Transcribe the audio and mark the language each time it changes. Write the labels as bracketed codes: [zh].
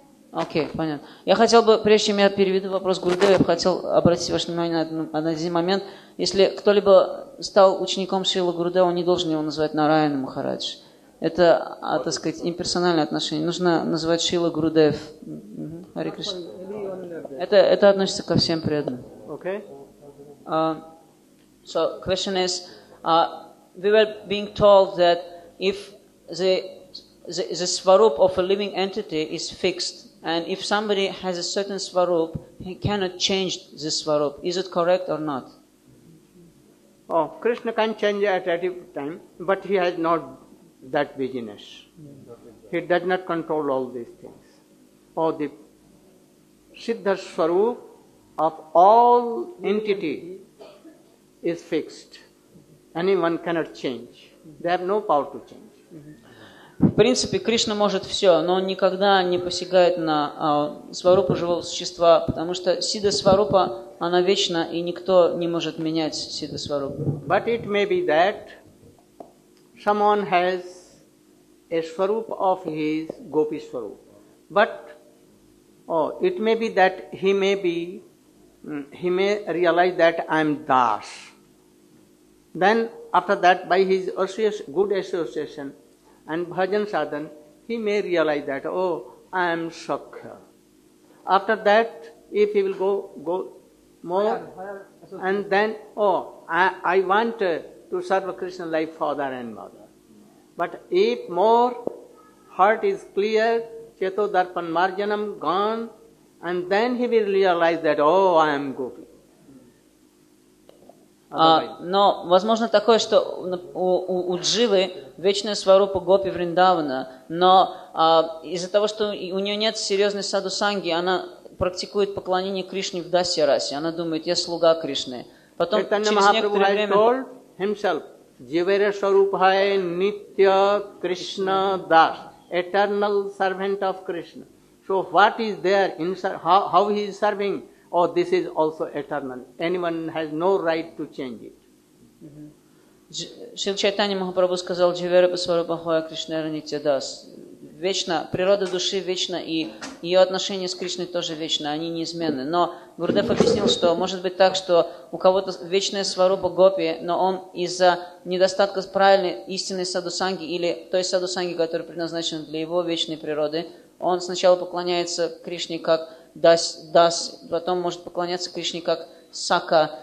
[ru] Окей, понятно. Я хотел бы, прежде чем я переведу вопрос Гурудеву, я бы хотел обратить ваше внимание на один момент. Если кто-либо стал учеником Шрилы Гурудева, он не должен его называть Нараяна Махарадж. Это, так сказать, имперсональное отношение. Нужно называть Шрилу Гурудев. Хари Кришна. Это относится ко всем преданным. Окей. [en] So, question is, we were being told that if the swarup of a living entity is fixed, and if somebody has a certain swarup, he cannot change the swarup. Is it correct or not? Oh, Krishna can change at any time, but he has not that business. He does not control all these things. Or the siddha swarup of all entity is fixed. Anyone cannot change. They have no power to change. [ru] В принципе, Кришна может все, но он никогда не посягает на сварупу живого существа, потому что сидда сварупа, она вечна, и никто не может менять сидда сварупу. [en] But it may be that someone has a swarup of his gopi swarup. But it may be that he may realize that I am Das. Then after that, by his good association and bhajan sadhan, he may realize that, I am Sakya. After that, if he will go more, and then, I want to serve Krishna like father and mother. But if more heart is clear, [sa] cheto darpan marjanam [en] gone, and then he will realize that, I am gopi. [ru] Но возможно такое, что у Дживы вечная сварупа Гопи Вриндавана, но из-за того, что у нее нет серьезной саду-санги, она практикует поклонение Кришне в Дасья-расе. Она думает, я слуга Кришны. Потом через некоторое время... [en] So what is there? How he is serving? Oh, this is also eternal. Anyone has no right to change it. [ru] Шрила Чайтанья Махапрабху сказал, [bn] Дживерапа Сварупахоя Кришна Ранитья Дас. [ru] Вечно, природа души вечна, и ее отношения с Кришной тоже вечны, они неизменны. Но Гурудев объяснил, что может быть так, что у кого-то вечная сварупа гопи, но он из-за недостатка правильной истинной садусанги или той садусанги, которая предназначена для его вечной природы, он сначала поклоняется Кришне как Дас, потом может поклоняться Кришне как Сака.